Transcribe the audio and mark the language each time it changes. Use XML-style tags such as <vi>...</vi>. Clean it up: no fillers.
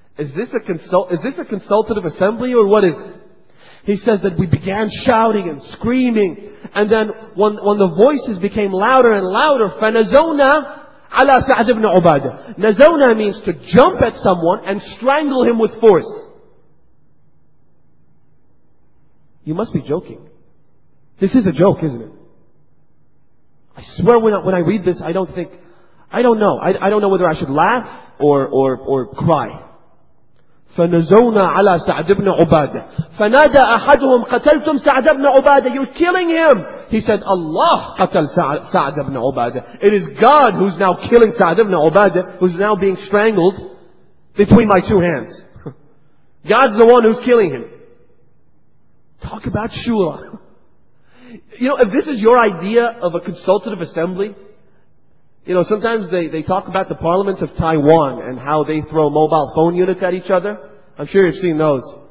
<en>Is this a consultative assembly or what is it? He says that we began shouting and screaming, and then when the voices became louder and louder,</en> <ar>فَنَزَوْنَا عَلَىٰ سَعْد بْنِ عُبَادَ نَزَوْنَا</ar> <en>means to jump at someone and strangle him with force. You must be joking. This is a joke, isn't it? I swear when I read this, I don't know whether I should laugh or cry.</en> <ar>فَنَزَوْنَا عَلَىٰ سَعْدِ بْنِ عُبَادَ فَنَادَ أَحَدُهُمْ قَتَلْتُمْ سَعْدَ بْنِ عُبَادَ</ar> <en>You're killing him! He said, Allah</en> <ar>قَتَلْ سَعْدَ بْنِ عُبَادَ</ar> <en>It is God who's now killing سَعْدَ بْنِ عُبَادَ who's now being strangled between my two hands. God's the one who's killing him. Talk about shura. You know, if this is your idea of a consultative assembly, you know, sometimes they talk about the parliaments of Taiwan and how they throw mobile phone units at each other. I'm sure you've seen those.</en>